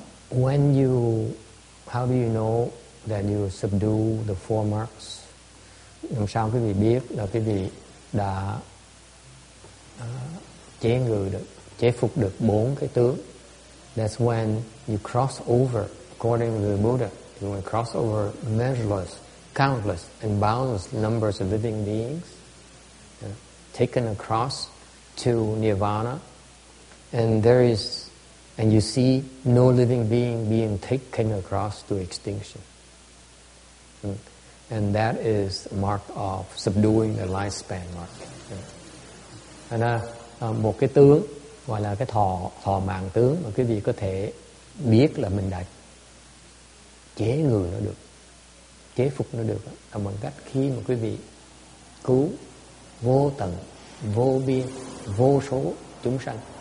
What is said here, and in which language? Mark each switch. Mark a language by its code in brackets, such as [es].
[en] When you, how do you know that you subdue the four marks? [vi] Làm sao quý vị biết là quý vị đã chế ngự được, chế phục được bốn cái tướng? [en] That's when you cross over, according to the Buddha, you will cross over measureless, countless, and boundless numbers of living beings, taken across to Nirvana, and there is. And you see no living being taken across to extinction. And that is a mark of subduing the lifespan mark. [vi] Thành ra, một cái tướng gọi là cái thọ mạng tướng mà quý vị có thể biết là mình đã chế ngự nó được, chế phục nó được là bằng cách khi mà quý vị cứu vô tận, vô biên, vô số chúng sanh.